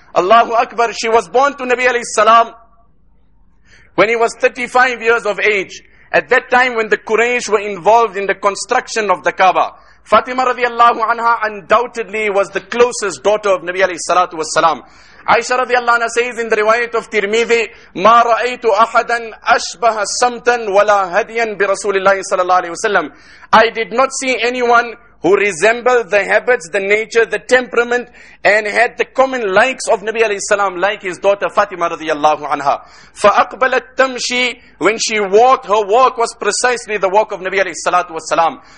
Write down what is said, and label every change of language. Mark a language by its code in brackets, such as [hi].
[en] Allahu Akbar, she was born to Nabi alayhi salam when he was 35 years of age. At that time when the Quraysh were involved in the construction of the Kaaba. Fatima radiallahu anha undoubtedly was the closest daughter of Nabi alayhi salatu was salam. Aisha radiallahu anha says in the riwayat of Tirmidhi, [ar] مَا رَأَيْتُ أَحَدًا أَشْبَهَ سَمْتًا وَلَا هَدِيًا بِرَسُولِ اللَّهِ صَلَى اللَّهِ عَلَيْهِ وَسَلَّمَ. [en] I did not see anyone who resembled the habits, the nature, the temperament, and had the common likes of Nabi alayhi salam, like his daughter Fatima radiallahu anha. [ar] فَأَقْبَلَتْ تَمْشِي. [en] When she walked, her walk was precisely the walk of Nabi alayhi salatu was salam.